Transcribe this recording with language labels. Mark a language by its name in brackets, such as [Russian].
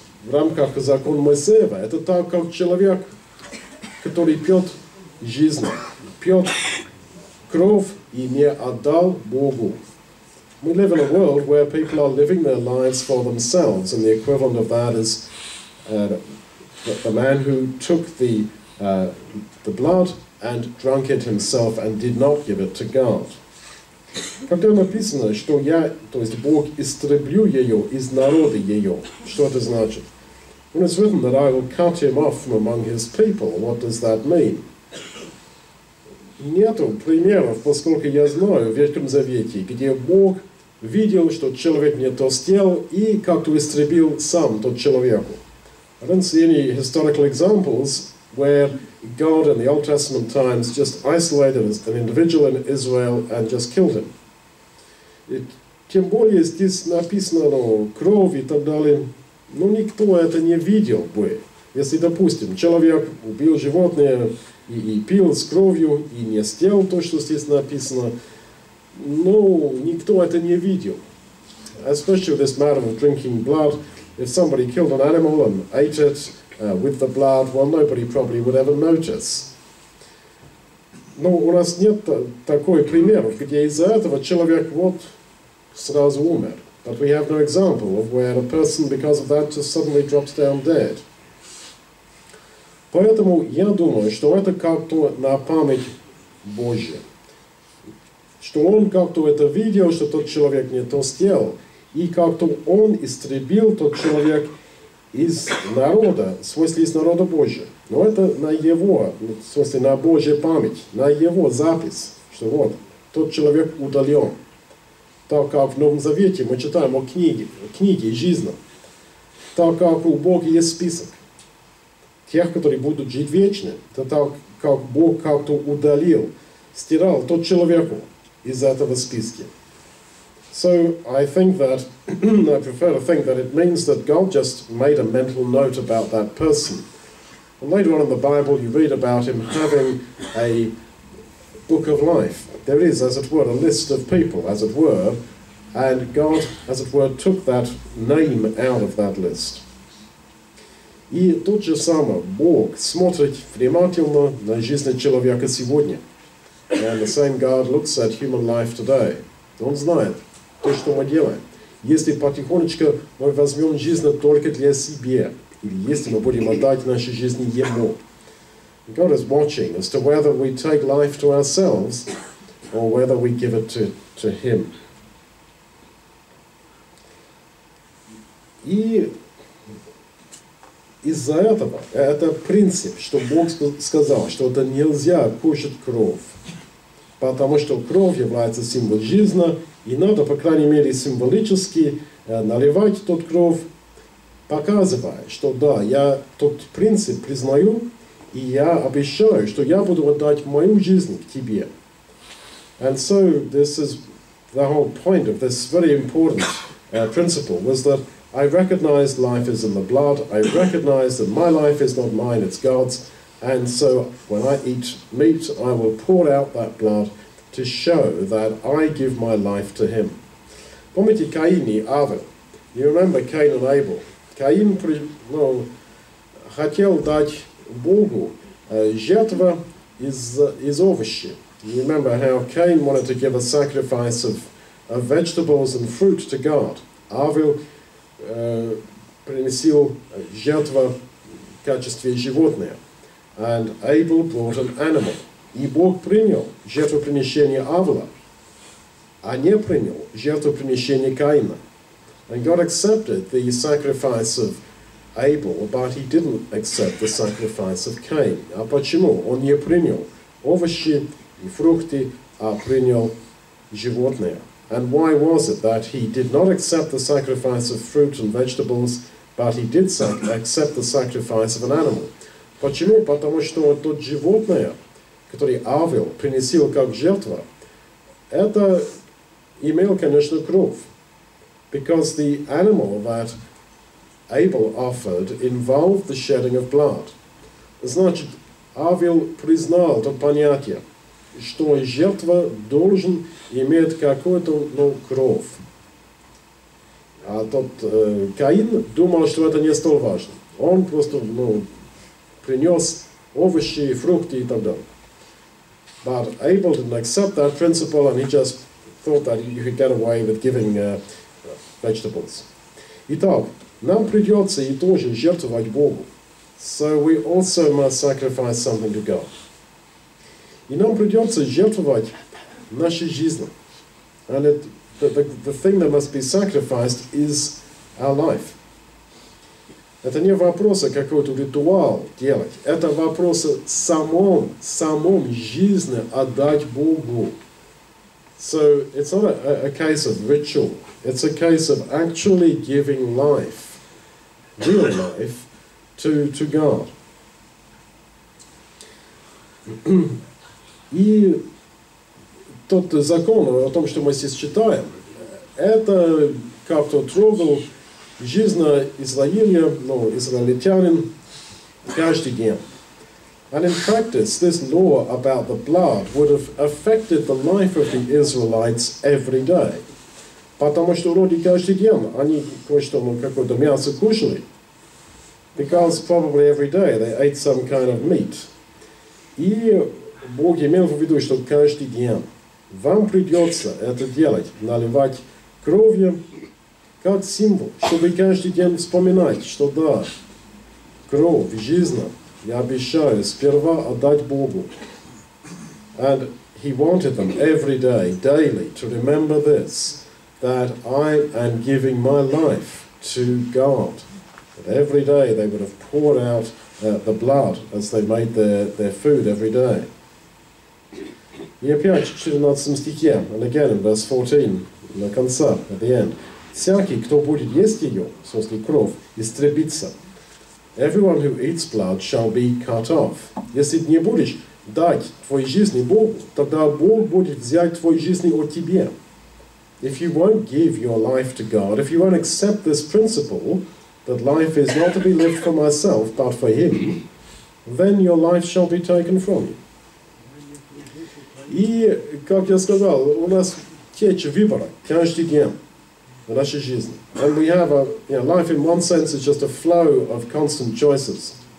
[Russian] в рамках закона Моисеева, это так, как человек, который пьет жизнь, пьет кровь и не отдал Богу. [English] We live in a world where people are living their lives for themselves, and the equivalent of that is the man who took the blood and drank it himself and did not give it to God. [Russian] Когда написано, что я, то есть Бог, истреблю ее из народа ее, что это значит? [English] When it's written that I will cut him off from among his people, what does that mean? [Russian] Нету примеров, поскольку я знаю, в Ветхом Завете, где Бог видел, что человек не то сделал, и как-то истребил сам тот человеку. [English] I don't see any historical examples where God in the Old Testament times just isolated an individual in Israel and just killed him. [Russian] И, тем более здесь написано, ну, кровь и так далее. Ну, никто это не видел бы. Если, допустим, человек убил животное и пил с кровью, и не сделал то, что здесь написано, ну, никто это не видел. [English] Especially with this matter of drinking blood, if somebody killed an animal and ate it with the blood, well, nobody probably would ever notice. [Russian] Ну, у нас нет такой примеров, где из-за этого человек вот сразу умер. [English] But we have no example of where a person, because of that, just suddenly drops down dead. [Russian] Поэтому я думаю, что это как-то на память Божья. Что он как-то это видел, что тот человек не то сделал, и как-то он истребил тот человек из народа, в смысле из народа Божия. Но это на его, в смысле на Божья память, на его запись, что вот, тот человек удален. Так как в Новом Завете мы читаем о книге жизни, так как у Бога есть список тех, которые будут жить вечно, то так как Бог как-то удалил, стирал тот человеку из этого списка. [English] So I think that I prefer to think that it means that God just made a mental note about that person. And later on in the Bible, you read about him having a book of life. There is, as it were, a list of people, as it were, and God, as it were, took that name out of that list. [Russian] И тот же самый Бог смотрит внимательно на жизнь человека сегодня. [English] And the same God looks at human life today. [Russian] Он знает то, что мы делаем. Если потихонечку мы возьмем жизнь только для себя, или если мы будем отдать нашу жизнь Ему. [English] God is watching as to whether we take life to ourselves or whether we give it to Him. [Russian] И из-за этого, это принцип, что Бог сказал, что это нельзя кушать кровь. Потому что кровь является символом жизни, и надо, по крайней мере, символически наливать тот кровь, показывая, что да, я тот принцип признаю, и я обещаю, что я буду отдать мою жизнь к тебе. [English] And so this is the whole point of this very important principle, was that I recognize life is in the blood, I recognize that my life is not mine, it's God's. And so, when I eat meat, I will pour out that blood to show that I give my life to him. [Russian] Помните Каин и Авель? [English] You remember Cain and Abel? [Russian] Каин, ну, хотел дать Богу жертву из овощи. [English] You remember how Cain wanted to give a sacrifice of vegetables and fruit to God. [Russian] Авель приносил жертву в качестве животного. [English] And Abel brought an animal. [Russian] И Бог принял жертвоприношение Авеля, а не принял жертвоприношение Каина. [English] And God accepted the sacrifice of Abel, but he didn't accept the sacrifice of Cain. [Russian] А почему? Он не принял овощи и фрукты, а принял животное. [English] And why was it that he did not accept the sacrifice of fruit and vegetables, but he did accept the sacrifice of an animal? [Russian] Почему? Потому что то животное, которое Авел принесил как жертва, это имело, конечно, кровь. [English] Because the animal that Abel offered involved the shedding of blood. [Russian] Значит, Авел признал то понятие, что жертва должен иметь какую-то, ну, кровь. А тот Каин думал, что это не столь важно. Он просто, ну, принес овощи, фрукты и так далее. [English] But Abel didn't accept that principle, and he just thought that you could get away with giving vegetables. [Russian] Итак, нам придется и тоже жертвовать Богу. [English] So we also must sacrifice something to God. [Russian] И нам придется жертвовать нашей жизнью. [English] And it, the thing that must be sacrificed is our life. [Russian] Это не вопрос какой-то ритуал делать. Это вопрос самом жизни отдать Богу. [English] So it's not a case of ritual. It's a case of actually giving life, real life, to God. [Russian] И тот закон о том, что мы здесь читаем, это как-то трогал жизнь Израиля, ну, израильтянин, каждый день. [English] And in practice, this law about the blood would have affected the life of the Israelites every day. [Russian] Потому что вроде каждый день они кое-что, ну, какое-то мясо кушали. [English] Because probably every day they ate some kind of meat. [Russian] И Бог имел в виду, что каждый день вам придется это делать, наливать кровью, как символ, чтобы каждый день вспоминать, что да, кровь, жизнь, я обещаю сперва отдать Богу. [English] And he wanted them every day, daily, to remember this, that I am giving my life to God. That every day they would have poured out the blood as they made their food every day. [Russian] И опять в 14 стихе, [English] and again in verse 14, [Russian] на конце, [English] at the end. [Russian] Всякий, кто будет есть ее, в смысле кровь, истребится. [English] Everyone who eats blood shall be cut off. [Russian] Если ты не будешь дать твоей жизни Богу, тогда Бог будет взять твою жизнь от тебя. [English] If you won't give your life to God, if you won't accept this principle, that life is not to be lived for myself, but for him, then your life shall be taken from you. [Russian] И, как я сказал, у нас течь выбора каждый день в нашей жизни. [English] And we have a, you know, life in one sense is just a flow of constant choices.